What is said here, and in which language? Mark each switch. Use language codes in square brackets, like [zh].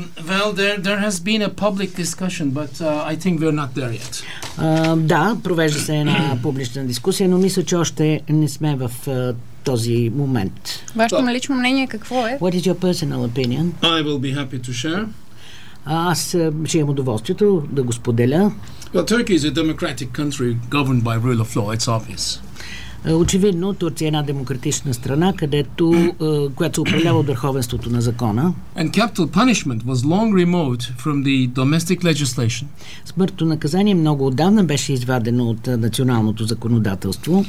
[en] Well, there has been a public discussion, but I think we're not there yet. [bg] Да, провежда се една публична дискусия, но мисля, че още не сме в този момент. Вашето лично мнение какво е? [en] What is your personal opinion? I will be happy to share. [bg] Аз ще имам удоволствието да го споделя. [en] Well, Turkey is a democratic country governed by rule of law, it's obvious. [bg] Очевидно, Турция е една демократична страна, където, която се управлява от върховенството на закона. [en] And capital punishment was long removed from the domestic legislation. [bg] Смъртното наказание много отдавна беше извадено от националното законодателство.